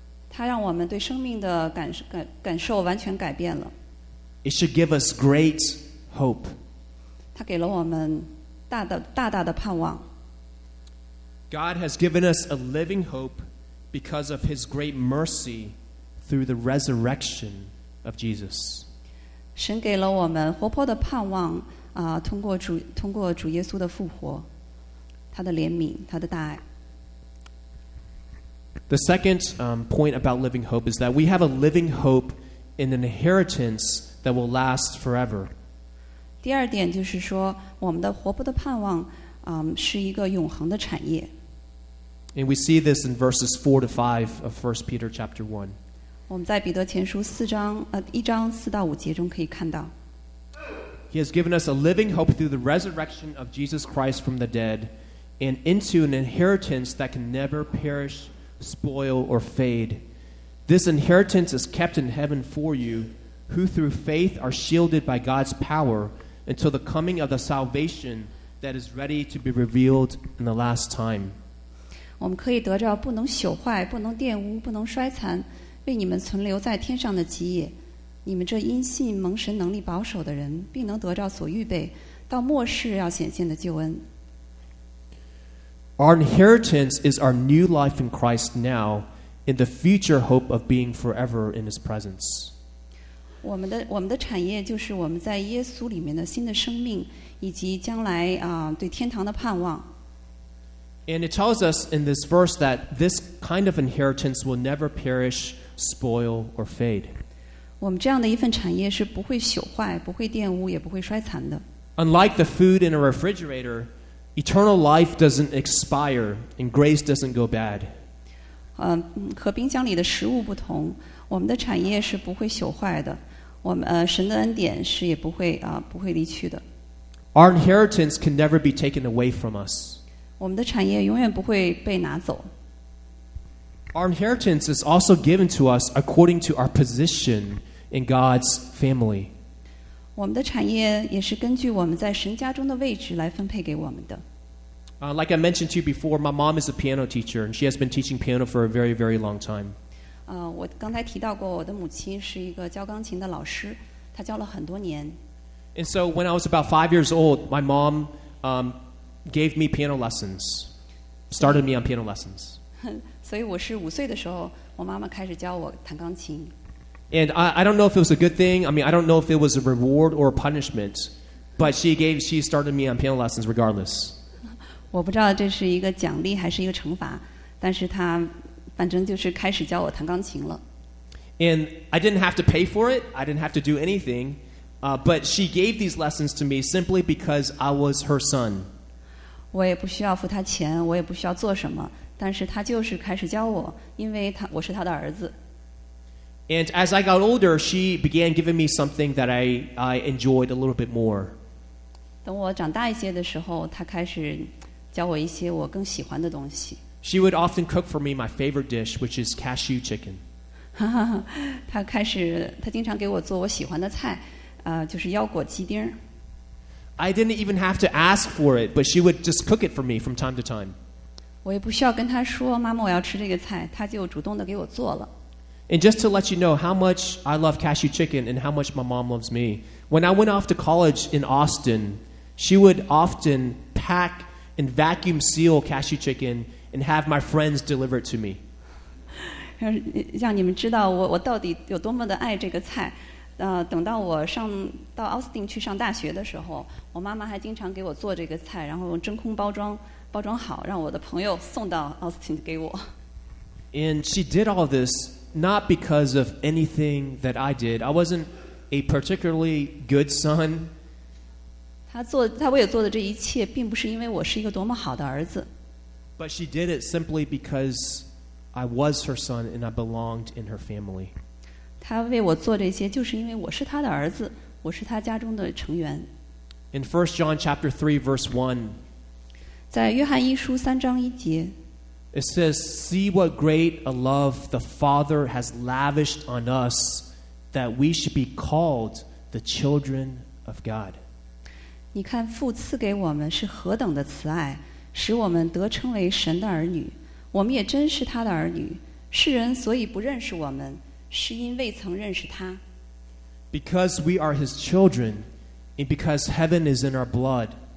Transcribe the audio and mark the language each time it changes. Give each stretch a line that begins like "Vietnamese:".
Chinese: 他让我们对生命的感受完全改变了。
English: It should give us great hope.
Chinese: 他给了我们大大的盼望。
English: God has given us a living hope because of his great mercy through the resurrection of Jesus.
Chinese: 神给了我们活泼的盼望通过主耶稣的复活他的怜悯他的大爱
English: The second point about living hope is that we have a living hope in an inheritance that will last forever
Chinese: 第二点就是说我们的活泼的盼望是一个永恒的产业
English: And we see this in verses 4 to 5 of 1 Peter chapter 1
Chinese: 我们在彼得前书四章一章四到五节中可以看到
English: He has given us a living hope through the resurrection of Jesus Christ from the dead and into an inheritance that can never perish, spoil, or fade. This inheritance is kept in heaven for you who through faith are shielded by God's power until the coming of the salvation that is ready to be revealed in the last time.
Chinese: 我们可以得着不能朽坏不能玷污不能衰残为你们存留在天上的基业你们这因信蒙神能力保守的人必能得着所预备到末世要显现的救恩
English: Our inheritance is our new life in Christ now in the future hope of being forever in his presence
Chinese: 我们的产业就是我们在耶稣里面的新的生命以及将来对天堂的盼望
English: And it tells us in this verse that this kind of inheritance will never perish, spoil, or fade.
Chinese: 我们这样的一份产业是不会朽坏、不会玷污、也不会衰残的。
English: Unlike the food in a refrigerator, eternal life doesn't expire and grace doesn't go bad.
Chinese: 和冰箱里的食物不同，我们的产业是不会朽坏的。我们神的恩典是也不会不会离去的。
English: Our inheritance can never be taken away from us.
Chinese: 我们的产业永远不会被拿走。
English: Our inheritance is also given to us according to our position in God's family.
Chinese: 我们的产业也是根据我们在神家中的位置来分配给我们的。
English: Like I mentioned to you before, my mom is a piano teacher, and she has been teaching piano for a very, very long time.
Chinese: 我刚才提到过，我的母亲是一个教钢琴的老师，她教了很多年。
English: And so when I was about 5 years old, my mom, gave me piano lessons, started me on piano lessons.
Chinese: 所以我是五岁的时候，我妈妈开始教我弹钢琴。
English: And I don't know if it was a good thing. I mean, I don't know if it was a reward or a punishment, but she started me on piano lessons regardless.
Chinese: 我不知道这是一个奖励还是一个惩罚，但是她反正就是开始教我弹钢琴了。
English: And I didn't have to pay for it. I didn't have to do anything. But she gave these lessons to me simply because I was her son.
Chinese: 我也不需要付他钱，我也不需要做什么，但是他就是开始教我，因为我是他的儿子。
English: And as I got older, she began giving me something that I enjoyed a little bit more.
Chinese: 等我长大一些的时候，他开始教我一些我更喜欢的东西。
English: She would often cook for me my favorite dish, which is cashew chicken.
Chinese: 他经常给我做我喜欢的菜，就是腰果鸡丁。
English: I didn't even have to ask for it, but she would just cook it for me from time to time.
Chinese: 我也不需要跟她说，妈妈，我要吃这个菜，她就主动的给我做了。
English: And just to let you know how much I love cashew chicken and how much my mom loves me, when I went off to college in Austin, she would often pack and vacuum seal cashew chicken and have my friends deliver it to me.
Chinese: 让你们知道我到底有多么的爱这个菜。等到我上到奥斯汀去上大学的时候，我妈妈还经常给我做这个菜，然后用真空包装好，让我的朋友送到奥斯汀给我。
English: And she did all this not because of anything that I did. I wasn't a particularly good son.
Chinese: 他为我做的这一切，并不是因为我是一个多么好的儿子。
English: But she did it simply because I was her son and I belonged in her family.
Chinese: 她为我做这些，就是因为我是她的儿子，我是她家中的成员。
English: In 1 John chapter 3, verse 1,
Chinese: 在约翰一书三章一节
English: it says, See what great a love the Father has lavished on us that we should be called the children of God.
Chinese: 你看父赐给我们是何等的慈爱使我们得称为神的儿女我们也真是他的儿女世人所以不认识我们是因未曾认识他
English: Because we are his children and because heaven is in our blood